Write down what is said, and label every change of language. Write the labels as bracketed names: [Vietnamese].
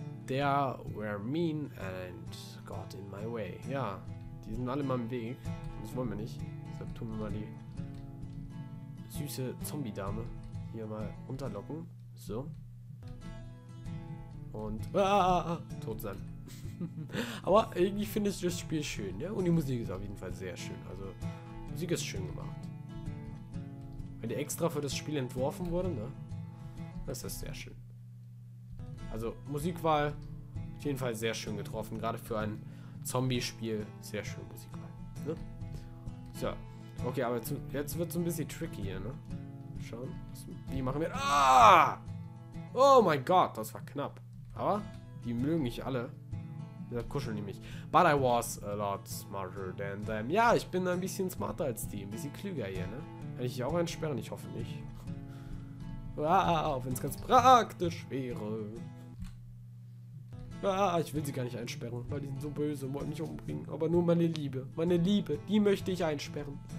[English] They were mean and got in my way. [German] Ja. Die sind alle mal im Weg. Das wollen wir nicht. Deshalb tun wir mal die süße Zombie-Dame hier mal unterlocken. So. Und. Ah, tot sein. Aber irgendwie finde ich das Spiel schön. Ja? Und die Musik ist auf jeden Fall sehr schön. Also, die Musik ist schön gemacht. Weil die extra für das Spiel entworfen wurde, ne? Das ist sehr schön. Also, Musikwahl auf jeden Fall sehr schön getroffen. Gerade für ein Zombie-Spiel, sehr schön Musik rein. Ne? So, okay, aber jetzt wird es ein bisschen tricky hier, ne? Schauen, wie machen wir. Ah! Oh mein Gott, das war knapp. Aber die mögen nicht alle. Deshalb kuscheln die mich. [English] But I was a lot smarter than them. [German] Ja, ich bin ein bisschen smarter als die, ein bisschen klüger hier, ne? Hätte ich auch entsperren, ich hoffe nicht. Ah, auch wenn es ganz praktisch wäre. Ah, ich will sie gar nicht einsperren, weil die sind so böse und wollen mich umbringen. Aber nur meine Liebe, die möchte ich einsperren.